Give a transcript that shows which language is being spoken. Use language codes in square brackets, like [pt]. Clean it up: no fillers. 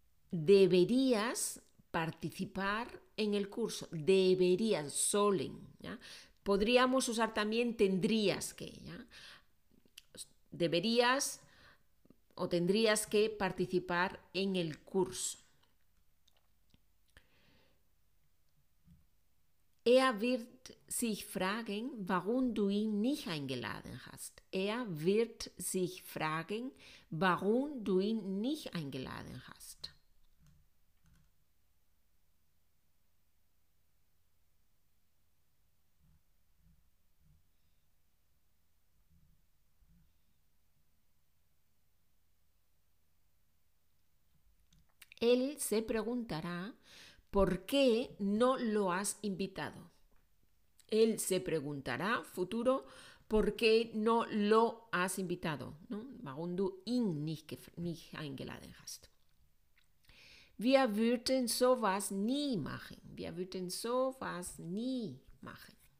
[es] Deberías participar en el curso. Deberías, sollen, ¿ya? Podríamos usar también tendrías que, ¿ya? Deberías o tendrías que participar en el curso. [de] Er wird sich fragen, warum du ihn nicht eingeladen hast. Er wird sich fragen, warum du ihn nicht eingeladen hast. [es] Él se preguntará por qué no lo has invitado. Él se preguntará, futuro, por qué no lo has invitado. ¿No? [de] Warum du ihn nicht eingeladen hast. Wir würden sowas nie machen. Wir würden sowas nie machen.